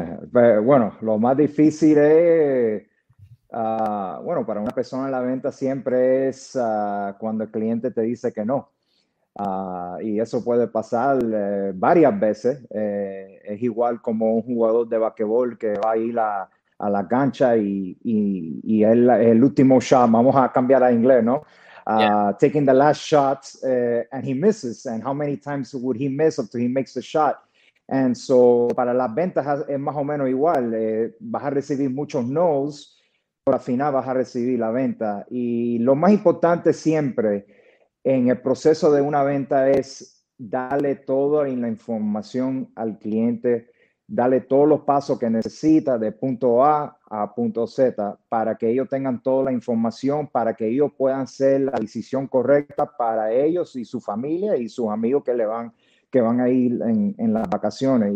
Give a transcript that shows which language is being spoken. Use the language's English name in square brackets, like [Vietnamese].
[Spanish] Bueno, lo más difícil es, bueno, para una persona en la venta siempre es cuando el cliente te dice que no. Y eso puede pasar varias veces. Es igual como un jugador de basquetbol que va a ir a la cancha y el último shot, vamos a cambiar a inglés, ¿no? [English] Yeah. Taking the last shot and he misses. And how many times would he miss until he makes the shot? And so, [Spanish] para las ventas es más o menos igual. Vas a recibir muchos no's, pero al final vas a recibir la venta. Y lo más importante siempre en el proceso de una venta es darle toda la información al cliente darle todos los pasos que necesita de punto A a punto Z para que ellos tengan toda la información, para que ellos puedan hacer la decisión correcta para ellos y su familia y sus amigos que van a ir en las vacaciones.